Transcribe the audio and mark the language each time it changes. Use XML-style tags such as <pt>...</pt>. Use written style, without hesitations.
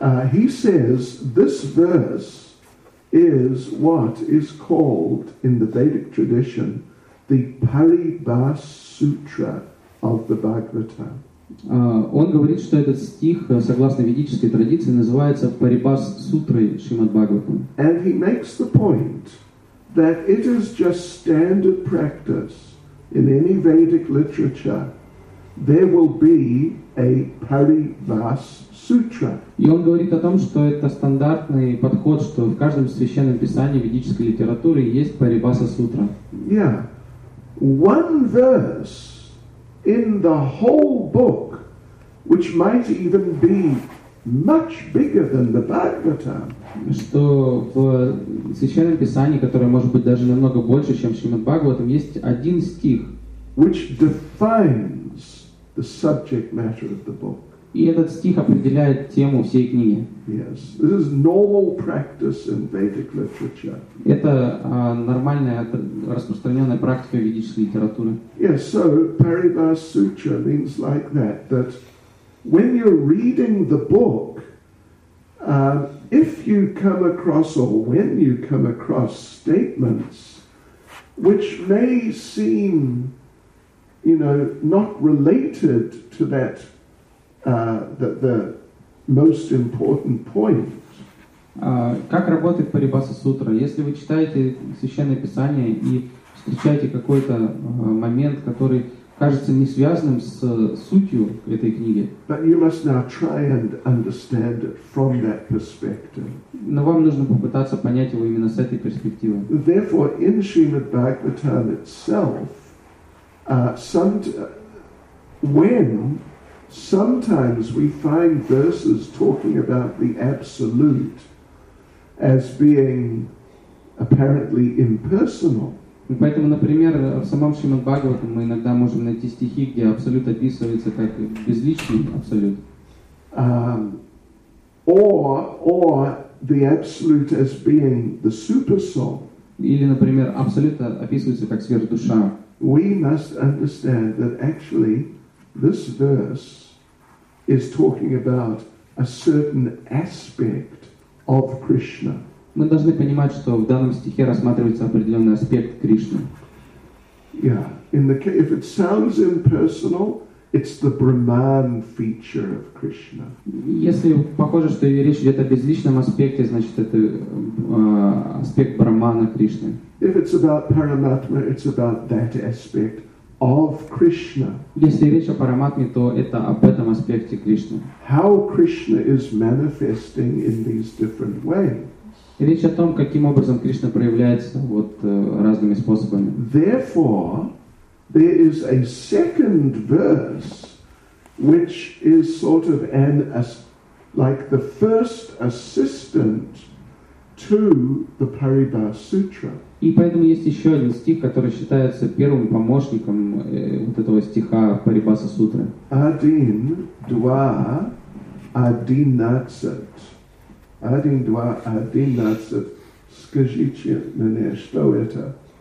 <en>He says this verse is what is called in the Vedic tradition the Paribhas Sutra. Of the Bhagavatam.</en> <ru>Он говорит, что этот стих, согласно ведической традиции, называется Парибас Сутрой Шримад Бхагаватам.</ru> <en>And he makes the point that it is just standard practice in any Vedic literature there will be a Paribas Sutra.</en> <ru>И он говорит о том, что это стандартный подход, что в каждом священном писании ведической литературы есть Парибаса Сутра.</ru> <en>Yeah. One verse in the whole book, which might even be much bigger than the Bhagavatam,</en> <ru>что в священном писании, которое может быть даже намного больше, чем Шримад Бхагаватам, есть один стих,</ru> <en>which defines the subject matter of the book.</en> <ru>И этот стих определяет тему всей книги.</ru> <en>Yes, this is normal practice in Vedic literature.</en> <ru>Это нормальная распространенная практика ведической литературы.</ru> <en>Yes, so Paribhas Sutra means like that. That when you're reading the book, if you come across or when you come across statements which may seem, you know, not related to that. The most important point.</en> <ru>Как работает Парибаса Сутра? Если вы читаете Священное Писание и встречаете какой-то момент, который кажется не связанным с сутью этой книги,</ru> <en>but you must now try and understand it from that perspective.</en> <ru>Но вам нужно попытаться понять его именно с этой перспективы.</ru> <en>Therefore, in Srimad Bhagavatam itself, sometimes we find verses talking about the absolute as being apparently impersonal.</en> <ru>Поэтому, например, в самом Шримад Бхагаватам мы иногда можем найти стихи, где абсолют описывается как безличный абсолют.</ru> <en>Or the absolute as being the super soul.</en> <ru>Или, например, абсолют описывается как сверхдуша.</ru> <en>We must understand that actually this verse is talking about a certain aspect of Krishna.</en> <ru>Мы должны понимать, что в данном стихе рассматривается определенный аспект Кришны.</ru> <en>Yeah, in the case, if it sounds impersonal, it's the Brahman feature of Krishna.</en> <ru>Если похоже, что речь идет о безличном аспекте, значит это аспект Брахмана Кришны.</ru> <en>If it's about Paramatma, it's about that aspect of Krishna.</en> <ru>Если речь о Параматме, то это об этом аспекте Кришны.</ru> <en>How Krishna is manifesting in these different ways.</en> <ru>Речь о том, каким образом Кришна проявляется вот разными способами.</ru> <en>Therefore, there is a second verse, which is sort of an as like the first assistant to the Paribhasa Sutra.</en> <ru>И поэтому есть еще один стих, который считается первым помощником вот этого стиха Парибаса Сутры. Адин два одиннадцать. Один, два, одиннадцать. Скажите мне, что это?</ru>